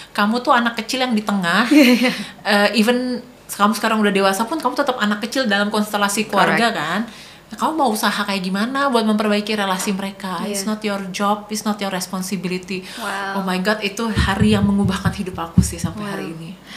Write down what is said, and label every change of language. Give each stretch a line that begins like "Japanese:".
Indonesian: Kamu tuh anak kecil yang di tengah. Even kamu sekarang udah dewasa pun, kamu tetap anak kecil dalam konstelasi keluarga. Correct. Kan. Kamu mau usaha kayak gimana buat memperbaiki relasi mereka? Yeah.
English: It's not your job, it's not your responsibility. Wow. Oh my God,
Indonesian: itu hari yang mengubahkan hidup aku sih sampai hari ini.